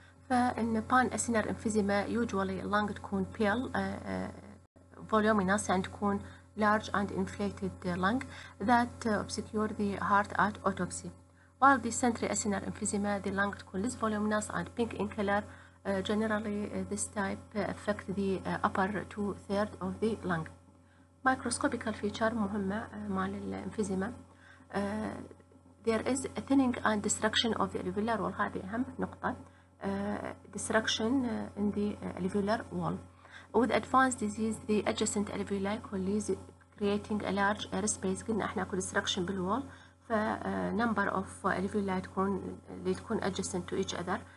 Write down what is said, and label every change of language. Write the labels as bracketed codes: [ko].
[en] فان pan acinar emphysema usually lung تكون pale voluminous and تكون large and inflated lung that obscure the heart at autopsy. While the centrally acinar emphysema the lung تكون less voluminous and pink in color. Generally, this type affect the upper two-thirds of the lung. [ar] Microscopical feature مهمة مال الانفيزيما. [en] There is a thinning and destruction of the alveolar wall. [ar] هذه أهم نقطة. [en] Destruction in the alveolar wall. With advanced disease, the adjacent alveoli colonies creating a large air space. [ar] قلنا إحنا كل destruction بالwall. فnumber of alveoli تكون اللي تكون adjacent to each other.